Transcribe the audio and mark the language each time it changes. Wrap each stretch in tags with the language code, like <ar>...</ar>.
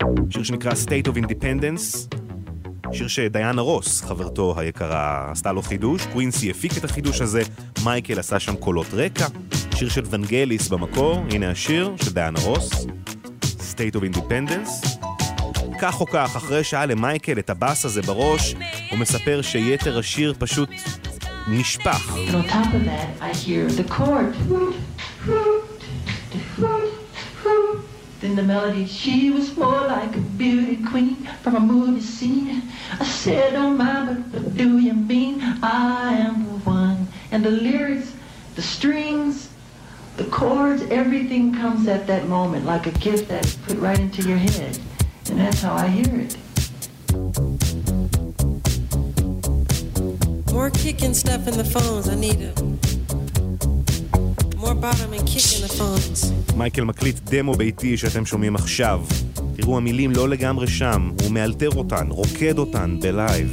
<he>שיר שנקרא State of Independence. שיר שדיאנה רוס, חברתו היקרה, עשתה לו חידוש. קווינסי הפיק את החידוש הזה. מייקל עשה שם קולות רקע. שיר של ונגליס במקור. הנה השיר של דיאנה רוס. State of Independence. כך או כך, אחרי שעה למייקל את הבאס הזה בראש, הוא מספר שיתר השיר פשוט נשפך.</he> <en>On top of that, I hear the chord. Then the melody, she was more like a beauty queen from a movie scene. I said, oh my, but what do you mean? I am one. And the lyrics, the strings, the chords, everything comes at that moment like a gift that's put right into your head. And that's how I hear it. More kicking stuff in the phones, I need it. More bottom and kick in the phones.</en> <he>מייקל מקליט דמו ביתי שאתם שומעים עכשיו. תראו, המילים לא לגמרי שם, הוא מאלתר אותן, רוקד אותן בלייב.</he>